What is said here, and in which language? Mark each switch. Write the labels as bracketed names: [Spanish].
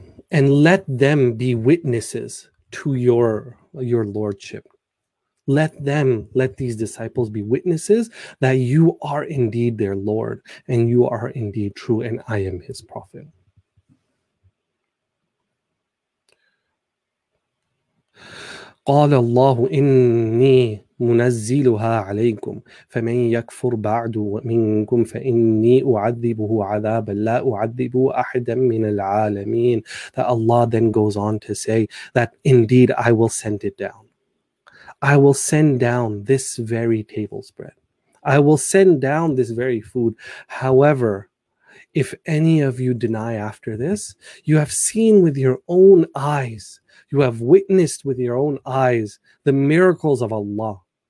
[English] And let them be witnesses to your lordship. Let these disciples be witnesses that you are indeed their Lord and you are indeed true and I am his prophet. [Arabic] قال الله إني منزلها عليكم فمن يكفر بعد منكم فإني أعذبه عذابا لا أعذبه أحدا من العالمين. [English] That Allah then goes on to say that indeed I will send it down. I will send down this very tablespread. I will send down this very food. However, if any of you deny after this, you have seen with your own eyes, you have witnessed with your own eyes the miracles of Allah.